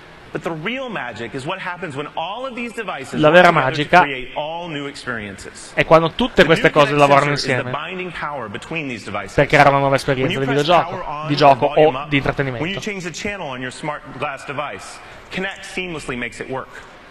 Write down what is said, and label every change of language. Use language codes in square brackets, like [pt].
[en] But the real magic is what happens when all of these devices create all new experiences. [it] È quando tutte queste cose lavorano insieme. Per creare una nuova esperienza di gioco o di intrattenimento. [en] When you change the channel on your smart glass device, Kinect seamlessly makes it work.